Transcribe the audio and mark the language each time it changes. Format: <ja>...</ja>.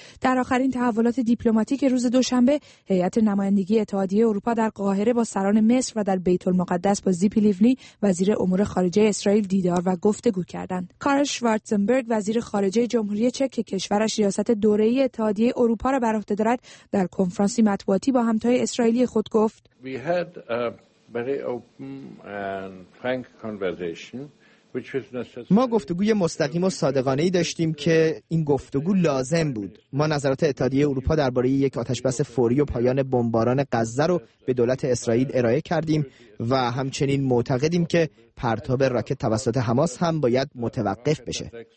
<fa>در آخرین تحولات دیپلماتیک روز دوشنبه، هیئت نمایندگی اتحادیه اروپا در قاهره با سران مصر و در بیت المقدس با زیپی لیونی وزیر امور خارجه اسرائیل دیدار و گفتگو کردند. کارل شوارتزنبرگ وزیر خارجه جمهوری چک که کشورش ریاست دوره‌ای اتحادیه اروپا را بر عهده دارد، در کنفرانسی مطبوعاتی با همتای اسرائیلی خود گفت:</fa> <en>We had a very open and frank conversation.</en> <fa>ما گفتگوی مستقیم و صادقانه‌ای داشتیم که این گفتگو لازم بود. ما نظرات اتحادیه اروپا درباره یک آتش‌بس فوری و پایان بمباران غزه رو به دولت اسرائیل ارائه کردیم و همچنین معتقدیم که پرتاب راکت توسط حماس هم باید متوقف بشه.</fa>